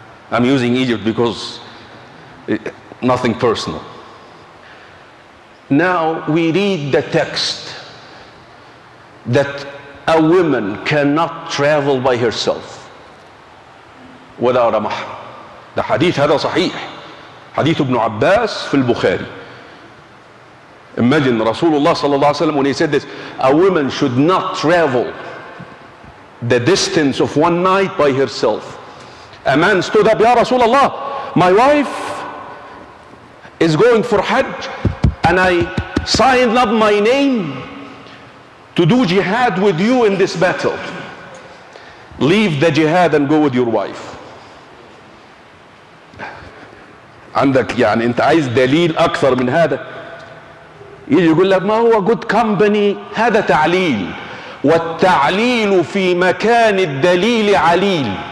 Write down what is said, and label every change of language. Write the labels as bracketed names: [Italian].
[English] I'm using Egypt because nothing personal. Now we read the text that a woman cannot travel by herself without a mahram. The hadith [Arabic] هذا صحيح. [English] Hadith ibn Abbas [Arabic] في البخاري. [English] Imagine Rasulullah [Arabic] صلى الله عليه وسلم [English] when he said this, a woman should not travel the distance of one night by herself. A man stood up, Ya Rasulullah, my wife is going for Hajj and I signed up my name to do jihad with you in this battle. Leave the jihad and go with your wife. [Arabic] عندك يعني انت عايز دليل اكثر من هذا؟ يجي يقول لك ما هو [English] good company، [Arabic] هذا تعليل، والتعليل في مكان الدليل عليل.